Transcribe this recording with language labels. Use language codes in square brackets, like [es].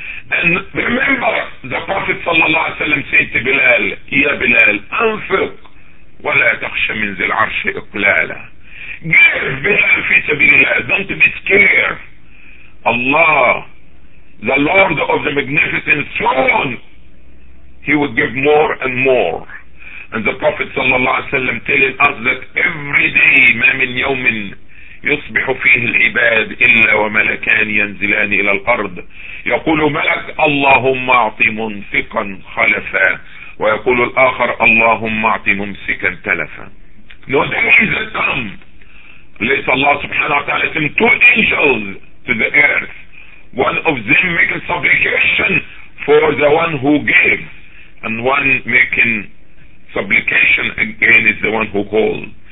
[en] And remember, the Prophet sallallahu alaihi wasallam said to Bilal, [ar] "Ya Bilal, anfiq wa la taqsha min zil arsh iqlala." [en] Give, Bilal, fi sabilillah. Don't be scared. Allah, the Lord of the Magnificent Throne, He would give more and more. And the Prophet sallallahu alaihi wasallam telling us that every day, [ar] ما من يوم يصبح فيه العباد إلا وملكان ينزلان إلى الأرض يقول ملك اللهم أعطي منفقا خلفا ويقول الآخر اللهم أعطي ممسكا تلفا. [en] No days that come, let Allah subhanahu wa ta'ala send two angels to the earth, one of them making supplication for the one who gave, and one making supplication again is the one who called.